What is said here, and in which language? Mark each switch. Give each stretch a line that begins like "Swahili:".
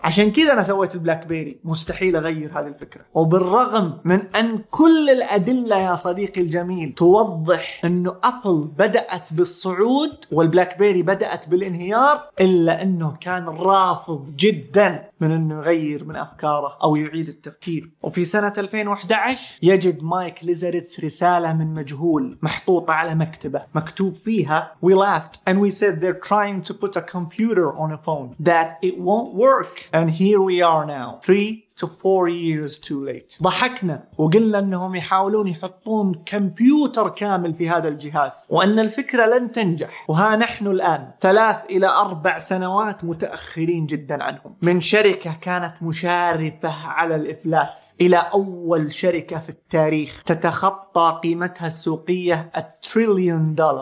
Arabic: عشان كذا أنا سويت البلاك بيري. مستحيل أغير هذه الفكرة. وبالرغم من أن كل الأدلة يا صديقي الجميل توضح أنه أبل بدأت بالصعود والبلاك بيري بدأت بالانهيار، إلا أنه كان رافض جداً من أنه يغير من أفكاره أو يعيد التفكير. وفي سنة 2011 يجد مايك ليزرتس رسالة من مجهول محطوطة على مكتبة، مكتوب فيها
English: We laughed and we said they're trying to put a computer on a phone that it won't work and here we are now 3 to 4 years too late.
Arabic: ضحكنا وقلنا أنهم يحاولون يحطون كمبيوتر كامل في هذا الجهاز وأن الفكرة لن تنجح، وها نحن الآن 3 إلى 4 سنوات متأخرين جدا عنهم، من شركة كانت مشارفة على الإفلاس إلى أول شركة في التاريخ تتخطى قيمتها السوقية $1 trillion.